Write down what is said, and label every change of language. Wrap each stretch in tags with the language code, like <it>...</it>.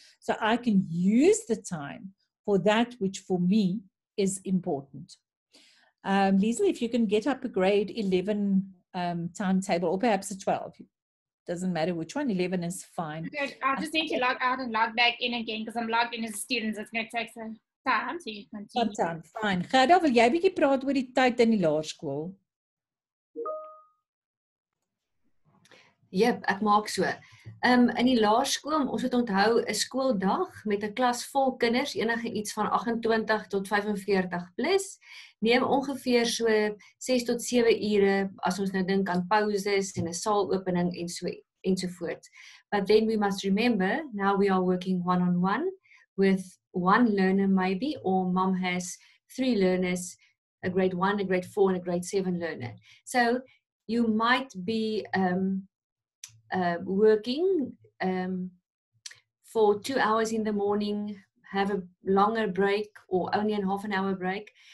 <en>So I can use the time for that which for me is important. Liesl, if you can get up a grade 11 timetable, or perhaps a 12. Doesn't matter which one, 11 is fine. Good. I just need to log out and log back in again because I'm logged in as a student. It's going to take some time, so you can continue. Fine.</en> <af>Gerda, wil jy bietjie praat oor die tyd in die laerskool? Yep, ek maak so. In die laerskool, ons moet onthou, 'n skooldag met 'n klas vol kinders, enige iets van 28 tot 45 plus, neem ongeveer so 6 tot 7 ure, as ons nou dink aan pauses en 'n saalopening en so ensovoort.</af> <en>But then we must remember, now we are working one-on-one with one learner maybe, or mom has three learners, a grade 1, a grade 4 and a grade 7 learner. So you might be working for 2 hours in the morning, have a longer break or only a half an hour break.</en>